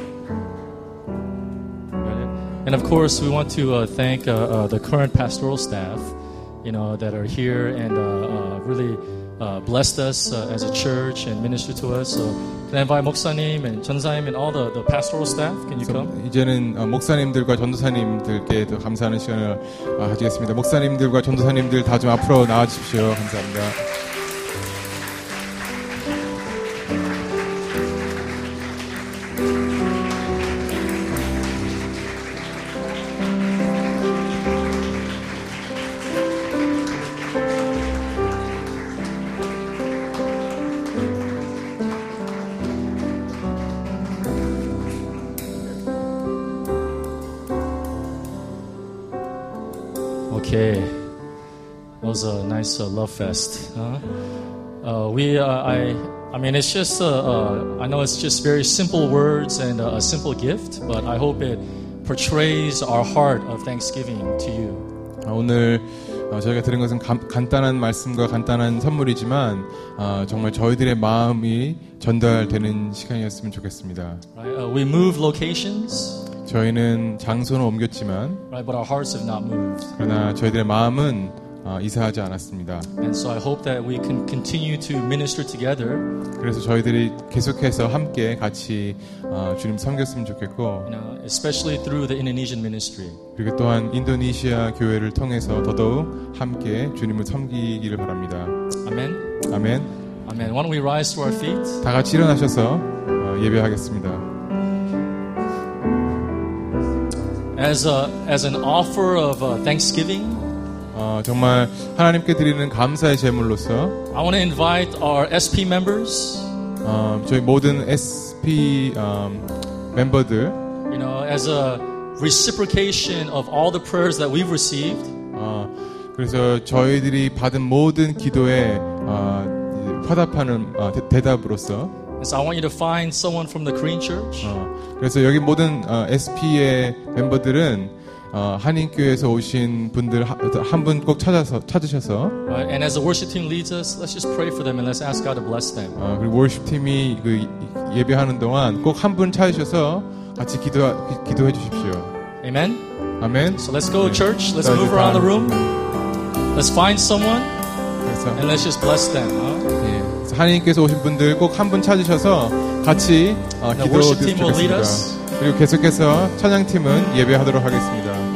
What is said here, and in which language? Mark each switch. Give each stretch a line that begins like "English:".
English: And of course, we want to thank the current pastoral staff, you know, that are here and really blessed us as a church and ministered to us. So, can I invite 목사님 and 전사님 and all the pastoral staff? Can you come?
Korean: 이제는 목사님들과 전도사님들께도 감사하는 시간을 가지겠습니다. 목사님들과 전도사님들 다 좀 앞으로 나와 주십시오. 감사합니다.
English: Love Fest. I know it's just very simple words and a simple gift, but I hope it portrays our heart of thanksgiving to you.
Korean: 오늘 저희가 드린 것은 간단한 말씀과 간단한 선물이지만 정말 저희들의 마음이 전달되는 시간이었으면 좋겠습니다.
English: Right, we moved locations.
Korean: 저희는 장소는 옮겼지만
English: right, but our hearts have not moved.
Korean: 그러나 저희들의 마음은 이사하지 않았습니다.
English: And so I hope that we can continue to minister together.
Korean: 그래서 저희들이 계속해서 함께 같이 주님 섬겼으면 좋겠고.
English: You know, especially through the Indonesian ministry.
Korean: 그리고 또한 인도네시아 교회를 통해서 더더욱 함께 주님을 섬기기를 바랍니다.
English: Amen. Amen. Amen. Why don't we rise to our feet?
Korean: 다 같이 일어나셔서 예배하겠습니다.
English: As an offer of thanksgiving.
Korean: 정말 하나님께 드리는 감사의 제물로서
English: I want to invite our SP members.
Korean: 저희 모든 SP member들
English: you know as a reciprocation of all the prayers that we've received.
Korean: 그래서 저희들이 받은 모든 기도에 화답하는 대답으로서
English: So I want you to find someone from the Korean church.
Korean: 그래서 여기 모든 SP의 멤버들은 한인교회에서 오신 분들 한 분 꼭 찾으셔서
English: And as the worship team leads us, let's just pray for them and let's ask God to bless them.
Korean: 그리고 worship 팀이 그 예배하는 동안 꼭 한 분 찾으셔서 같이 기도해 주십시오.
English: Amen. Amen. So let's go church. Let's move around the room. Let's find someone and let's just bless them.
Korean: 하나님께서 오신 분들 꼭 한 분 찾으셔서 같이 기도 드리겠습니다. 그리고 계속해서 찬양팀은 예배하도록 하겠습니다.